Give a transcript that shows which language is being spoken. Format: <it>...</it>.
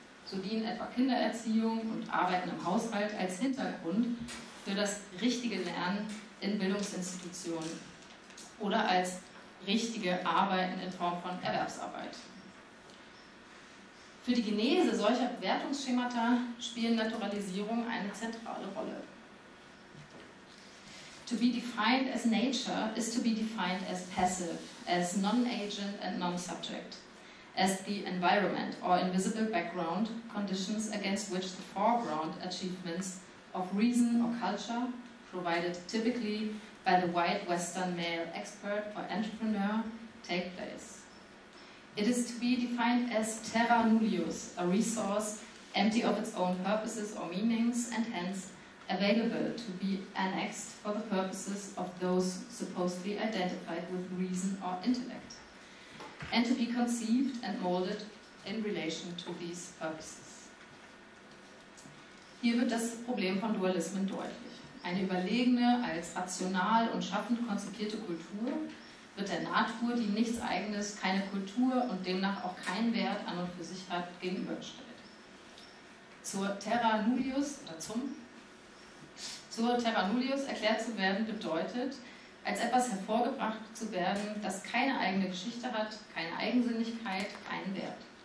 <de>So dienen etwa Kindererziehung und Arbeiten im Haushalt als Hintergrund für das richtige Lernen in Bildungsinstitutionen oder als richtige Arbeiten in Form von Erwerbsarbeit. Für die Genese solcher Bewertungsschemata spielen Naturalisierungen eine zentrale Rolle.</de> <en>To be defined as nature is to be defined as passive, as non-agent and non-subject, as the environment or invisible background conditions against which the foreground achievements of reason or culture, provided typically by the white Western male expert or entrepreneur, take place. It is to be defined as terra nullius, a resource empty of its own purposes or meanings, and hence available to be annexed for the purposes of those supposedly identified with reason or intellect, and to be conceived and molded in relation to these purposes.</en> <de>Hier wird das Problem von Dualismen deutlich. Eine überlegene, als rational und schaffend konzipierte Kultur wird der Natur, die nichts Eigenes, keine Kultur und demnach auch keinen Wert an und für sich hat, gegenübergestellt. Zur Terra Nullius erklärt zu werden, bedeutet, als etwas hervorgebracht zu werden, das keine eigene Geschichte hat, keine Eigensinnigkeit, keinen Wert.</de>